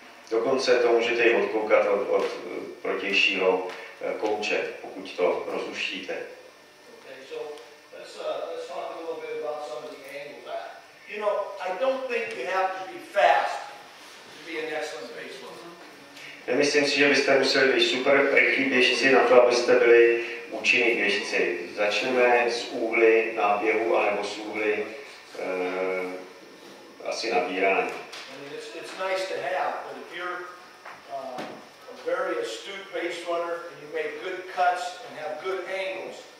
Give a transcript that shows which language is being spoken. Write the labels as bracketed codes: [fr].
[cs] Dokonce to můžete i odkoukat od protějšího kouče, pokud to rozluštíte. [en] Let's talk a little bit about some of the angles. You know, I don't think you have to be fast to be an excellent baseball. [cs] Já myslím si, že byste museli být super rychlí běžci na to, abyste byli účinní běžci. Začneme z úhly náběhu, anebo z úhly asi nabírání. [en] It's nice to have, but if you're a very astute base runner and you make good cuts and have good angles,